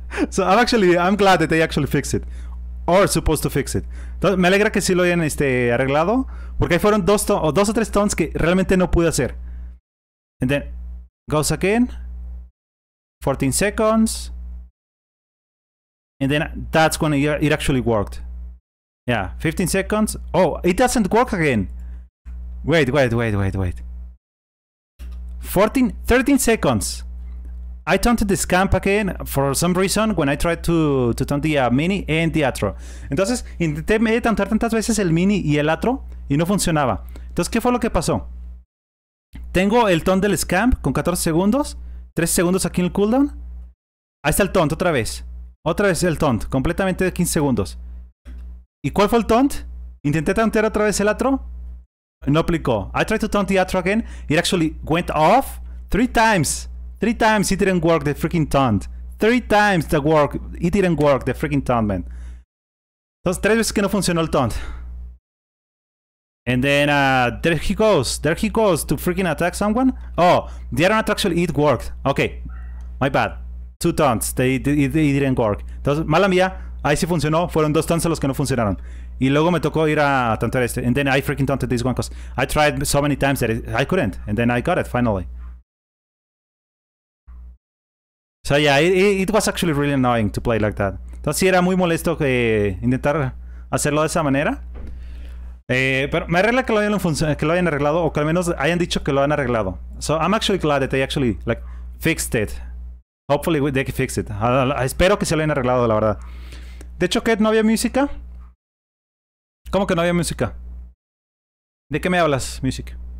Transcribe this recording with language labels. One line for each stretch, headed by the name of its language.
English: So, I'm glad that they actually fixed it. Or supposed to fix it.
Spanish: Entonces, me alegra que sí lo hayan arreglado. Porque ahí fueron dos o tres taunts que realmente no pude hacer.
English: And then, goes again. 14 seconds. And then that's when it actually worked. Yeah, 15 seconds. Oh, it doesn't work again. Wait. 13 seconds. I turned the scamp again for some reason when I tried to turn the mini and the atro.
Spanish: Entonces, intenté meter tantas veces el mini y el atro y no funcionaba. Entonces, ¿qué fue lo que pasó? Tengo el taunt del scamp con 14 segundos. 3 segundos aquí en el cooldown. Ahí está el taunt otra vez. Otra vez el taunt, completamente de 15 segundos. ¿Y cuál fue el taunt? Intenté tauntear otra vez el atro. No aplicó.
English: I tried to taunt the atro again. It actually went off 3 times. 3 times it didn't work the freaking taunt. 3 times the work. It didn't work the freaking taunt, man.
Spanish: Entonces, 3 veces que no funcionó el taunt.
English: And then there he goes to freaking attack someone. Oh, the other one actually it worked. Okay, my bad. 2 taunts, they didn't work.
Spanish: Entonces, mala mía, ahí sí funcionó. Fueron 2 taunts los que no funcionaron. Y luego me tocó ir a tantear este.
English: And then I freaking taunted this one because I tried so many times that I couldn't. And then I got it, finally. So yeah, it was actually really annoying to play like that.
Spanish: Entonces sí era muy molesto que intentar hacerlo de esa manera. Pero me arregla que lo hayan arreglado, o que al menos hayan dicho que lo han arreglado.
English: So I'm actually glad that they actually like fixed it. Hopefully they can fix it.
Spanish: Espero que se lo hayan arreglado, la verdad. De hecho, ¿qué? ¿No había música? ¿Cómo que no había música? ¿De qué me hablas, music?